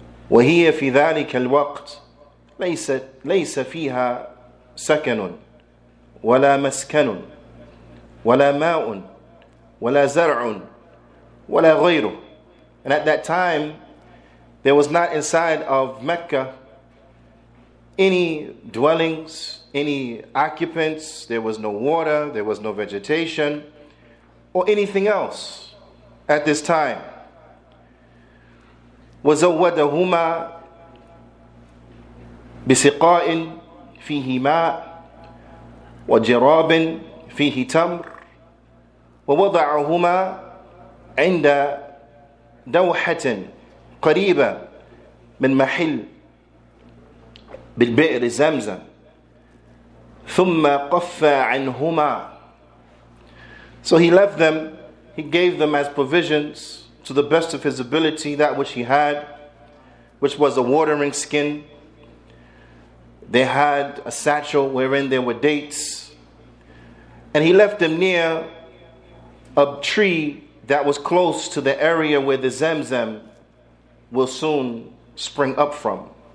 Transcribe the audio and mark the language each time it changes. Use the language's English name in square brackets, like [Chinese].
[Arabic] وَهِيَ فِي ذَلِكَ الْوَقْتِ ليس فيها سكن ولا مسكن ولا ماء ولا زرع ولا غيره. [English] And at that time, there was not inside of Mecca any dwellings, any occupants. There was no water, there was no vegetation, or anything else at this time. [Arabic] وزودهما بسقاء فيه ماء وجراب فيه تمر ووضعهما عند دوحة قريبة من محل بالبئر زمزم ثم قفى عنهما. [English] So he left them, he gave them as provisions to the best of his ability that which he had, which was a watering skin. They had a satchel wherein there were dates. And he left them near a tree that was close to the area where the Zamzam will soon spring up from.